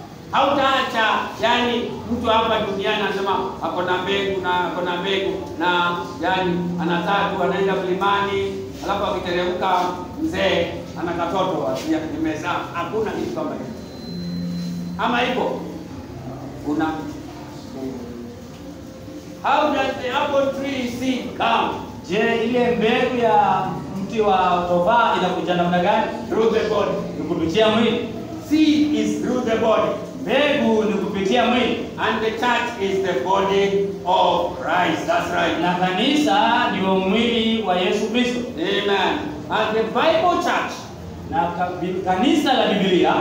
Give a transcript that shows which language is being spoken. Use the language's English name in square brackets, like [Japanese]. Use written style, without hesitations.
[Swahili] Hautaacha, yani mtu hapa duniani anasema ako na mbegu na yani anataka kuenda mlimani, alafu akiteremka mzee ana katoto asijimeza. Hakuna kitu kama hicho. Ama ipo? Kuna. [English] How does the apple tree seed come? [Swahili] Je, ile mbegu ya mti mti wa tofaa inakuja namna gani? [English] Through the body. [Swahili] Ni kupitia mwili. [English] Seed is through the body. [Swahili] Mbegu ni kupitia mwili. [English] And the church is the body of Christ. That's right. [Swahili] Na kanisa ndio mwili wa Yesu Kristo. [English] Amen. And the Bible church. [Swahili] Na kanisa la Biblia.